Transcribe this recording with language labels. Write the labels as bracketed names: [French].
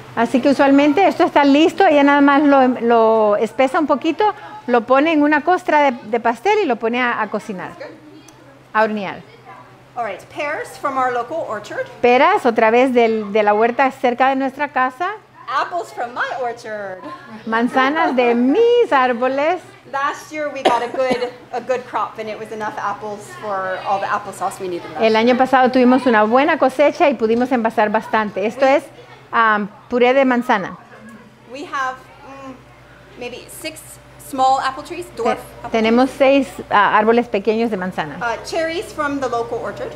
[Spanish] Así que usualmente esto está listo, ella nada más lo espesa un poquito, lo pone en una costra de pastel y lo pone a cocinar, a hornear. [English] All right, pears from our local orchard. [Spanish] Peras otra vez de la huerta cerca de nuestra casa. [English] Apples from my orchard. [Spanish] Manzanas de mis árboles. [English] Last year we got a good crop and it was enough apples for all the applesauce we needed. [Spanish] El año pasado tuvimos una buena cosecha y pudimos envasar bastante. Esto es puré de manzana. [English] We have maybe 6 small apple trees, dwarf. [Spanish] Tenemos 6 árboles pequeños de manzana. [English] Cherries from the local orchard.